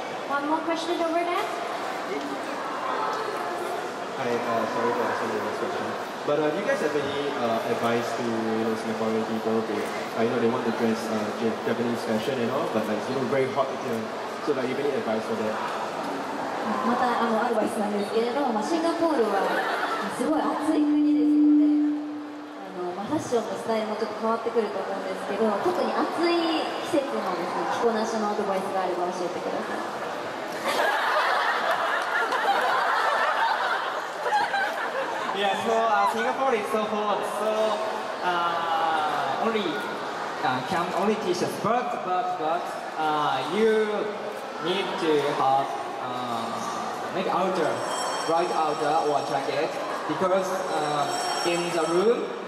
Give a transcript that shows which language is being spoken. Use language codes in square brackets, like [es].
[en] One more question over there? Hi, sorry for answering this question. But do you guys have any advice to, you know, Singaporean people? To, you know, they want to dress Japanese fashion and all, but like, it's, you know, very hot. You know, so like, you have any advice for that? [ja] また、アドバイスなんですけれども、まあ、シンガポールはすごい暑い国です。ファッションのスタイルもちょっと変わってくると思うんですけど、特に暑い季節のですね、着こなしのアドバイスがあれば教えてください。 [en] Yeah, so Singapore is so hot, so only T-shirt, but you need to have make outer, bright outer or jacket, because in the room.